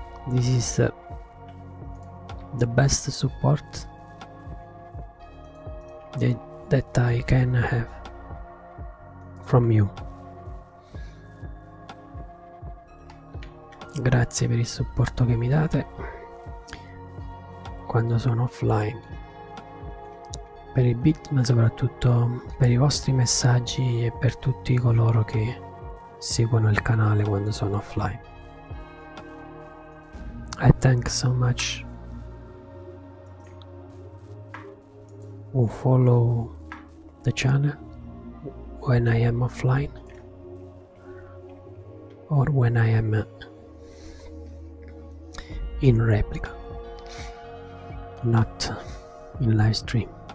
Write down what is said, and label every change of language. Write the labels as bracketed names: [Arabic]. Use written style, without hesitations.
[English] This is the the best support that I can have from you. [Italian] Grazie per il supporto che mi date quando sono offline, per i bit, ma soprattutto per i vostri messaggi e per tutti coloro che seguono il canale quando sono offline. [English] I thank so much who follow the channel when I am offline or when I am in replica, not in live stream.